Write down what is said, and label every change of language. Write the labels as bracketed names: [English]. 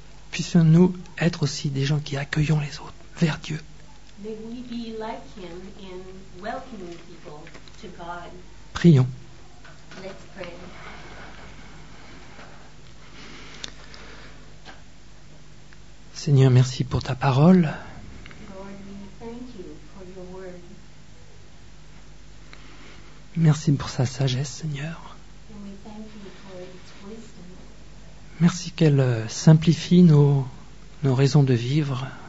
[French] Puissions-nous être aussi des gens qui accueillons les autres vers Dieu. [English] May we be like him in welcoming people to God. [French] Prions. [English] Let's pray. [French] Seigneur, merci pour ta parole. [English] Lord, we thank you for your word. [French] Merci pour sa sagesse, Seigneur. [English] And we thank you for its wisdom. [French] Merci qu'elle simplifie nos raisons de vivre.